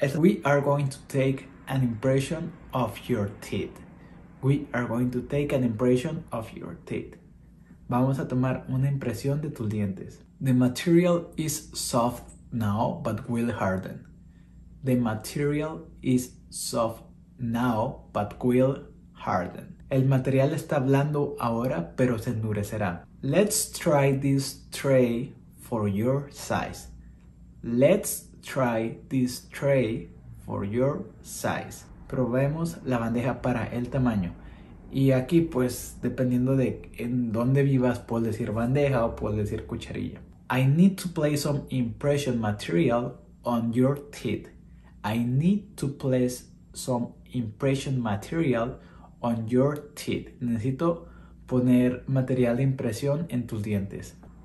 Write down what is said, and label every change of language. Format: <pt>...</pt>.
<en>We are going to take an impression of your teeth. We are going to take an impression of your teeth.</en> <es>Vamos a tomar una impresión de tus dientes.</es> <en>The material is soft now, but will harden. The material is soft now, but will harden.</en> <es>El material está blando ahora, pero se endurecerá.</es> <en>Let's try this tray for your size. Let's try this tray for your size.</en> <es>Probemos la bandeja para el tamaño. Y aquí, pues, dependiendo de en dónde vivas, puedes decir bandeja o puedes decir cucharilla.</es> <en>I need to place some impression material on your teeth. I need to place some impression material on your teeth.</en> <es>Necesito poner material de impresión en tus dientes.</es>